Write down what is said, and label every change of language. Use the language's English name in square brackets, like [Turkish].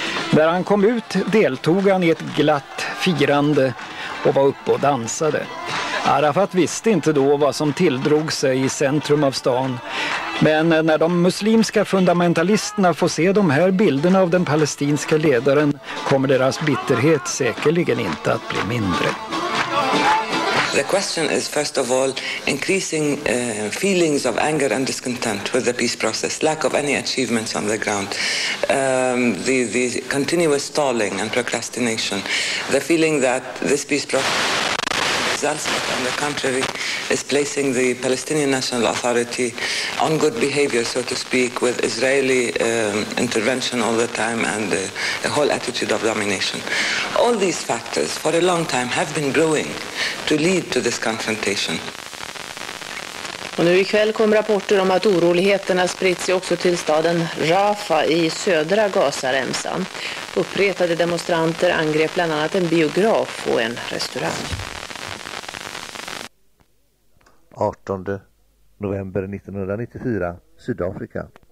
[Swedish] När han kom ut deltog han i ett glatt firande och var uppe och dansade. Arafat visste inte då vad som tilldrog sig i centrum av stan. Men när de muslimska fundamentalisterna får se de här bilderna av den palestinska ledaren kommer deras bitterhet säkerligen inte att bli mindre. [English] The question is first of all increasing feelings of anger and discontent with the peace process, lack of any achievements on the ground, the continuous stalling and procrastination, the feeling that this peace process results, but on the contrary, is placing the Palestinian National Authority on good behavior, so to speak, with Israeli intervention all the time and a whole attitude of domination. All these factors, for a long time, have been brewing to lead to this confrontation. [Swedish] Och nu ikväll kom rapporter om att oroligheterna spritt sig också till staden Rafah i södra Gazaremsan. Uppretade demonstranter angrep bland annat en biograf och en restaurang. 18 november 1994, Sydafrika.